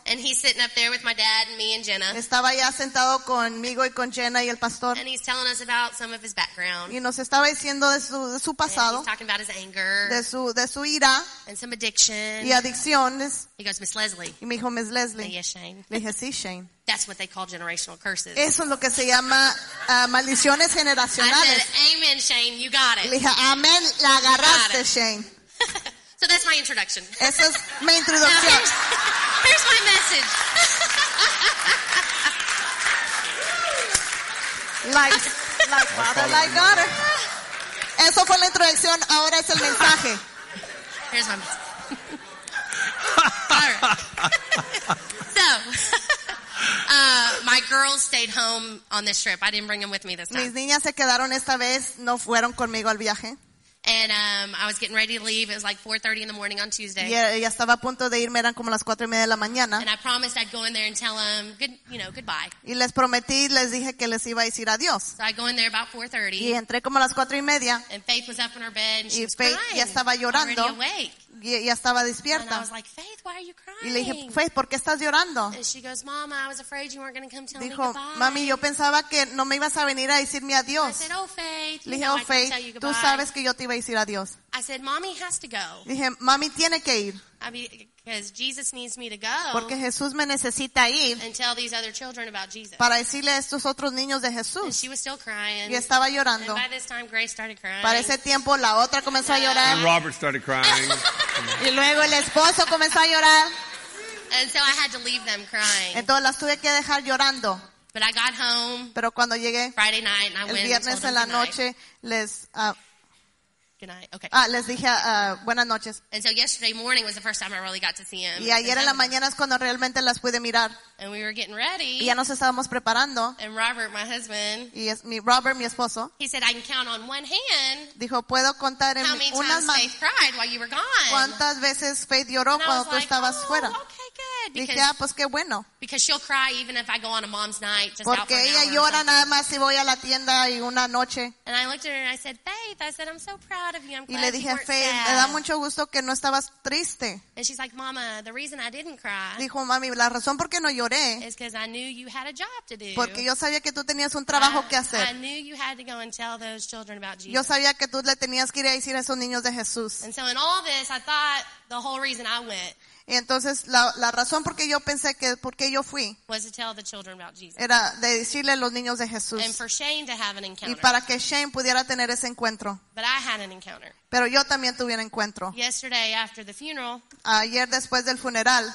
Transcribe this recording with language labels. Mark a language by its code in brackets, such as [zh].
[en] And he's sitting up there with my dad and me and Jenna. [es] Estaba ya sentado conmigo y con Jenna y el pastor. [en] And he's telling us about some of his background. [es] Y nos estaba diciendo de su pasado. [en] He's talking about his anger. [es] De su ira. [en] And some addiction. [es] Y adicciones. [en] He goes, Miss Leslie. [es] Y me dijo, Miss Leslie. [en] Yes, Shane. [es] Le dije, sí, Shane. [en] That's what they call generational curses. [es] Eso es lo que se llama maldiciones generacionales. [en] I said, amen, Shane, you got it. [es] Le dije, amén, la agarraste, Shane. [en] So that's my introduction. [es] Esa es mi introducción. [en] Here's my message. Like father, like daughter. [es] Eso fue la introducción, ahora es el mensaje. [en] Here's my message. All right. So... my girls stayed home on this trip. I didn't bring them with me this time. [es] Mis niñas se quedaron esta vez, no fueron conmigo al viaje. [en] And I was getting ready to leave. It was like 4:30 in the morning on Tuesday. [es] Ya estaba a punto de irme, eran como las 4:30 de la mañana. [en] And I promised I'd go in there and tell them goodbye. [es] Y les prometí, les dije que les iba a decir adiós. [en] So I go in there about 4:30. [es] Y entré como a las 4:30. [en] And Faith was up in her bed and she [es] y [en] was [es] Faith [en] crying. [es] Ya estaba llorando. [en] Already awake. [es] Ya estaba despierta. [en] And I was like, Faith, why are you crying? [es] Y le dije, Faith, ¿por qué estás llorando? [en] And she goes, Mama, I was afraid you weren't going to come tell [es] dijo, [en] me goodbye. [es] Mami, yo pensaba que no me ibas a venir a decirme adiós. [en] I said, oh, Faith, [es] le dije, no, oh, Faith, tú sabes que yo te iba a decir adiós. [en] I said, Mommy has to go. [es] Dije, Mami tiene que ir. [en] Because Jesus needs me to go. [es] Porque Jesús me necesita ir. [en] And tell these other children about Jesus. [es] Para decirle a estos otros niños de Jesús. [en] And she was still crying. [es] Y estaba llorando. [en] And by this time, Grace started crying. [es] Para ese tiempo, la otra comenzó a llorar. [en] And Robert started crying. [es] Y luego el esposo comenzó a llorar. [en] And so I had to leave them crying. [es] Entonces las tuve que dejar llorando. [en] But I got home. [es] Pero cuando llegué. [en] Friday night, and I [es] el viernes [en] went [es] en la noche les. [en] Good night. Okay. [es] Les dije buenas noches. [en] And so yesterday morning was the first time I really got to see him. [es] Y ayer en la mañana es cuando realmente las pude mirar. [en] And we were getting ready. [es] Y ya nos estábamos preparando. [en] And Robert, my husband. [es] Y es Robert, mi esposo. [en] He said I can count on one hand. [es] Dijo puedo contar en unas manos. [en] How many times Faith cried while you were gone? [es] ¿Cuántas veces Faith lloró cuando tú estabas fuera? Dije, ah, pues qué bueno. [en] Because she'll cry even if I go on a mom's night. Just [es] porque [en] out for [es] ella llora nada más si voy a la tienda y una noche. [en] And I looked at her and I said, Faith, I said, I'm so proud of you. I'm glad [es] y le dije, [en] you [es] Faith, [en] sad. [es] Me da mucho gusto que no estabas triste. [en] And she's like, Mama, the reason I didn't cry. [es] Dijo, Mami, la razón por qué no lloré. [en] Is because I knew you had a job to do. [es] Porque yo sabía que tú tenías un trabajo que hacer. [en] I knew you had to go and tell those children about Jesus. [es] Yo sabía que tú le tenías que ir a decir a esos niños de Jesús. [en] And so in all this, I thought the whole reason I went. [es] Y entonces la razón por qué yo pensé que por qué yo fui era de decirle a los niños de Jesús y para que Shane pudiera tener ese encuentro. [en] But I had an encounter. [es] Pero yo también tuve un encuentro. [en] Yesterday after the funeral, [es] ayer después del funeral,